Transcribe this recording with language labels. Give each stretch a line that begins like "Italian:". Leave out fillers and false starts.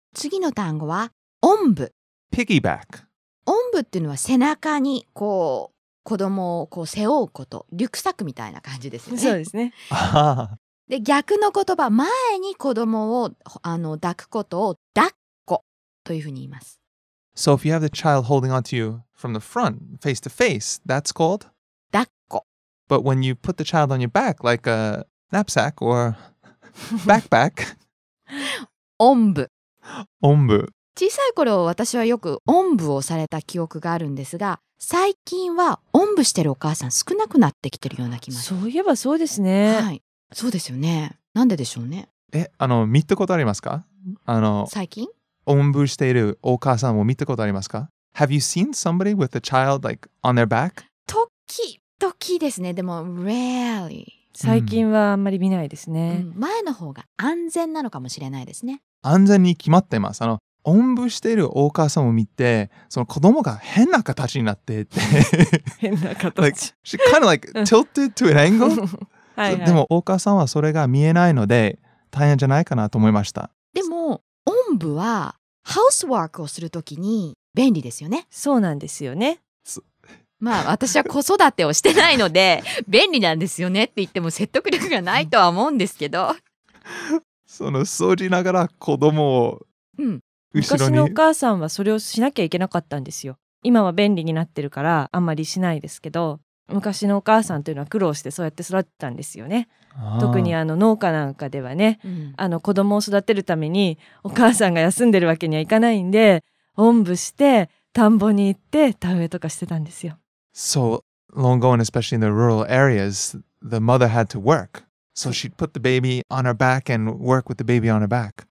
Japanese: 次の単語はおんぶ。
English: Piggyback。
Japanese: おんぶっていうのは背中にこう子供をこう背負うこと、リュックサックみたいな感じですね。そうですね。で、逆の言葉、前に子供を抱くことを抱っこというふうに言います。
English: So if you have the child holding onto you from the front, face to face, that's called?
Japanese: 抱っこ。
English: But when you put the child on your back, like a knapsack or backpack?
Japanese: おんぶ。おんぶ。小さい頃、私はよくおんぶをされた記憶があるんですが、最近はおんぶしてるお母さん少なくなってきてるような気がします。そういえばそうですね。はい。そうですよね。なんででしょうね。え、見たことありますか？最近？おんぶしているお母さんを見たことありますか？
English: Have you seen somebody with a child like on their back?
Japanese: 時々ですね。でも rarely。最近はあんまり見ないですね、うん。前の方が安全なのかもしれないですね。安全に決まってます。おんぶしているお母さんを見て、その子供が変な形になってって変な形。
English: Like, she kind of like tilted to an angle.
Japanese: はい、はい、でもお母さんはそれが見えないので大変じゃないかなと思いました。でもおんぶはハウスワークをするときに便利ですよね。そうなんですよね。まあ私は子育てをしてないので便利なんですよねって言っても説得力がないとは思うんですけど。その掃除ながら子供を。うん。昔のお母さんはそれをしなきゃいけなかったんですよ。今は便利になってるからあんまりしないですけど、昔のお母さんというのは苦労してそうやって育てたんですよね。特に農家なんかではね、うん、子供を育てるためにお母さんが休んでるわけにはいかないんで、おんぶして田んぼに行って田植えとかしてたんですよ。
English: So long gone, especially in the rural areas, the mother had to work. So she put the baby on her back and work with the baby on her back.